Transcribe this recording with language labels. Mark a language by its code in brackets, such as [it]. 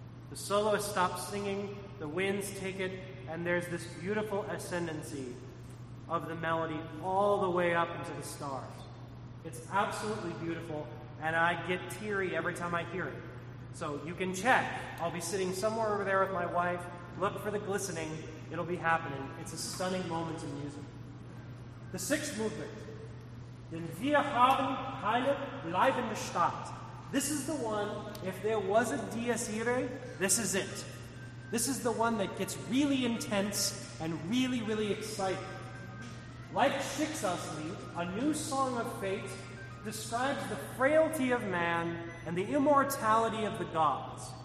[en] The soloist stops singing, the winds take it, and there's this beautiful ascendancy of the melody all the way up into the stars. It's absolutely beautiful, and I get teary every time I hear it. So you can check. I'll be sitting somewhere over there with my wife. Look for the glistening. It'll be happening. It's a stunning moment in music. The sixth movement. [de] Denn wir haben keine bleibende Stadt. [en] This is the one, if there was a Dies Irae, this is it. This is the one that gets really intense and really, really exciting. Like Schicksalslied, a new song of fate describes the frailty of man and the immortality of the gods.